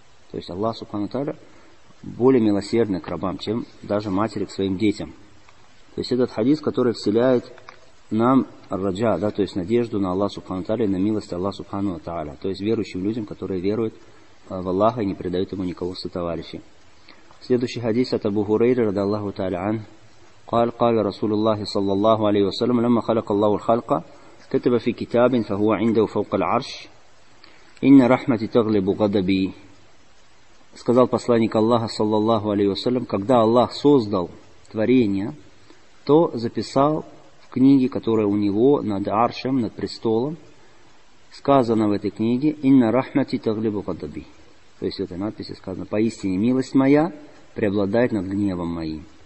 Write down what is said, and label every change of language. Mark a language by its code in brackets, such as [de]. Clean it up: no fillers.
[ru] То есть Аллах субхану тааля более милосердны к рабам, чем даже матери к своим детям. То есть этот хадис, который вселяет нам раджа, да, то есть надежду на Аллах Субхану Тааля, на милость Аллах Субхану Тааля, то есть верующим людям, которые веруют в Аллаха и не предают ему никого в сотоварищи. Следующий хадис от Абу Хурейры, рада Аллаху Тааля ан, [ar] قال, قال رسول الله صلى الله عليه وسلم, لما خلق الله الخلق, كتب في كتاب فهو عنده فوق العرش, إن رحمتي تغلب غضبي. [ru] Сказал посланник Аллаха, саллаллаху алейхи вассалям, когда Аллах создал творение, то записал в книге, которая у него над аршем, над престолом, сказано в этой книге, [ar] «Инна рахмати таглибу гадаби». [ru] То есть в этой надписи сказано, «Поистине милость моя преобладает над гневом моим».